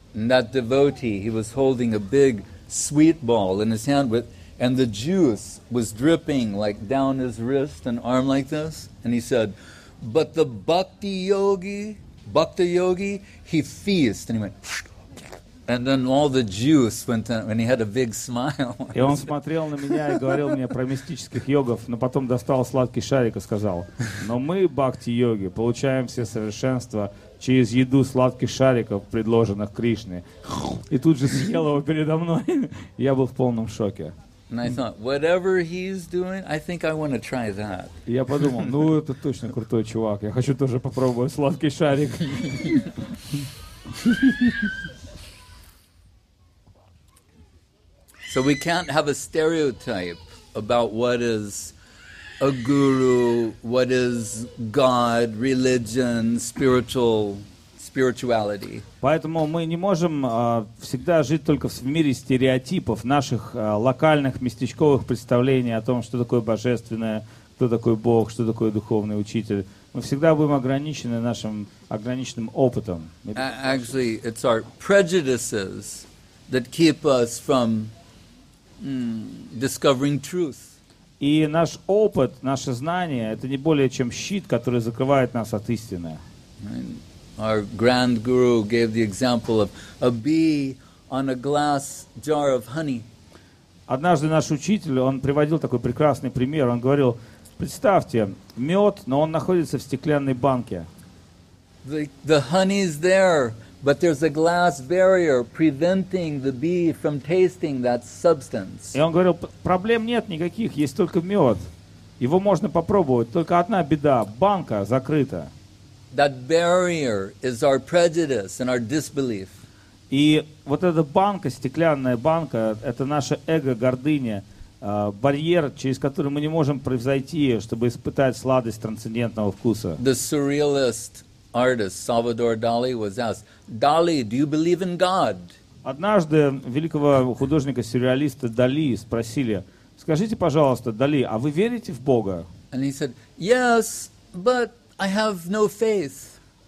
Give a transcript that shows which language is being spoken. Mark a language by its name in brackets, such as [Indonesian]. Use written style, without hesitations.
[English] And that devotee, he was holding a big sweet ball in his hand, and the juice was dripping like down his wrist and arm like this, and he said, but the bhakti yogi, he feasts, and he went, and then all the juice went down, and he had a big smile. [Russian] И он смотрел на меня и говорил мне про мистических йогов, но потом достал сладкий шарик и сказал, но мы, бхакти-йоги, получаем все совершенство через еду сладких шариков, предложенных Кришне. И тут же съел его передо мной. Я был в полном шоке. [English] And I thought, whatever he's doing, I think I want to try that. [Russian] Я подумал, ну это точно крутой чувак. Я хочу тоже попробовать сладкий шарик. [English] So we can't have a stereotype about what is a guru, what is God, religion, spirituality. [Russian] Поэтому мы не можем всегда жить только в мире стереотипов, наших локальных местечковых представлений о том, что такое божественное, кто такой Бог, что такое духовный учитель. Мы всегда будем ограничены нашим ограниченным опытом. [English] Actually, it's our prejudices that keep us from discovering truth. [Russian] И наш опыт, наше знание, это не более чем щит, который закрывает нас от истины. [English] Our grand guru gave the example of a bee on a glass jar of honey. [Russian] Однажды наш учитель, он приводил такой прекрасный пример. Он говорил, представьте, мед, но он находится в стеклянной банке. [English] The honey is there, but there's a glass barrier preventing the bee from tasting that substance. [Russian] И он говорил, проблем нет никаких, есть только мед. Его можно попробовать, только одна беда, банка закрыта. [English] That barrier is our prejudice and our disbelief. [Russian] И вот эта банка, стеклянная банка, это наше эго, гордыня, барьер, через который мы не можем превзойти, чтобы испытать сладость трансцендентного вкуса. [English] The surrealist artist Salvador Dali was asked, Dali, do you believe in God? [Russian] Однажды великого художника-сюрреалиста Дали спросили, скажите, пожалуйста, Дали, а вы верите в Бога? [English] And he said, yes, but I have no faith.